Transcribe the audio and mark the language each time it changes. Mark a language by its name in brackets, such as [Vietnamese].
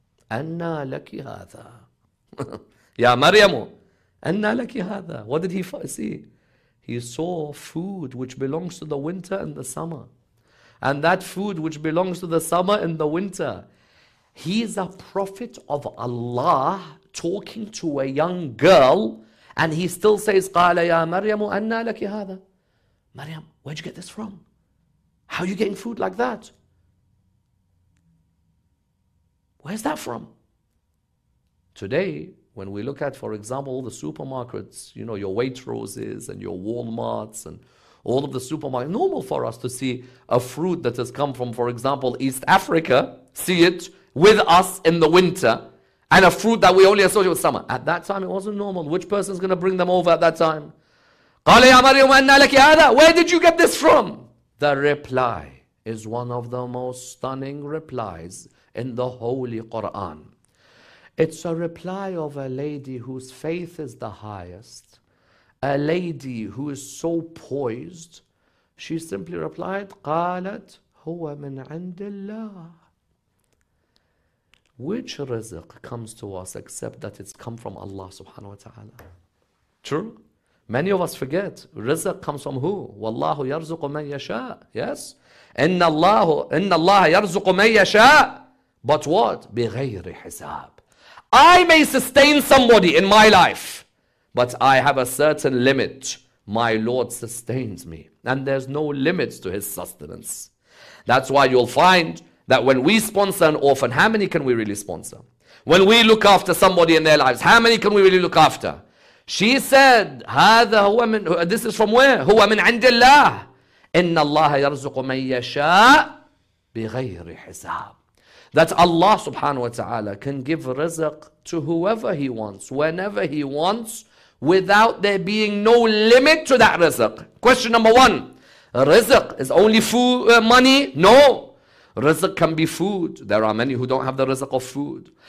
[Arabic] أَنَّا لَكِ هَذَا يَا مَرْيَمُ أَنَّا لَكِ هَذَا. [English] What did he see? He saw food which belongs to the winter and the summer. And that food which belongs to the summer and the winter. He's a prophet of Allah talking to a young girl. And he still says, [Arabic] قَالَ يَا مَرْيَمُ أَنَّا لَكِ هَذَا. [English] Maryam, where'd you get this from? How are you getting food like that? Where's that from? Today, when we look at, for example, all the supermarkets, you know, your Waitroses and your Walmarts and all of the supermarkets, normal for us to see a fruit that has come from, for example, East Africa, see it with us in the winter, and a fruit that we only associate with summer. At that time, it wasn't normal. Which person is going to bring them over at that time? [Arabic] قَالَ يَا مَرْيَمُ أَنَّا لَكِ هَذَا. [English] Where did you get this from? The reply is one of the most stunning replies in the Holy Quran. It's a reply of a lady whose faith is the highest, a lady who is so poised. She simply replied, [Arabic] قَالَتْ هُوَ مِنْ عِنْدِ اللَّهِ. [English] Which rizq comes to us except that it's come from Allah subhanahu wa ta'ala? True? Many of us forget, rizq comes from who? [Arabic] وَاللَّهُ يَرْزُقُ مَنْ يَشَاءُ. [English] Yes? [Arabic] إِنَّ اللَّهَ يَرْزُقُ مَنْ يَشَاءُ. [English] But what? [Arabic] بِغَيْرِ حِسَابٍ. [English] I may sustain somebody in my life, but I have a certain limit. My Lord sustains me, and there's no limits to his sustenance. That's why you'll find that when we sponsor an orphan, how many can we really sponsor? When we look after somebody in their lives, how many can we really look after? She said, [Arabic] "هذا هو من, [English] this is from where? [Arabic] هو من عند الله. إن الله يرزق من يشاء بغير حساب." [English] That Allah subhanahu wa ta'ala can give rizq to whoever he wants, whenever he wants, without there being no limit to that rizq. Question number one, rizq is only food, money? No. Rizq can be food. There are many who don't have the rizq of food.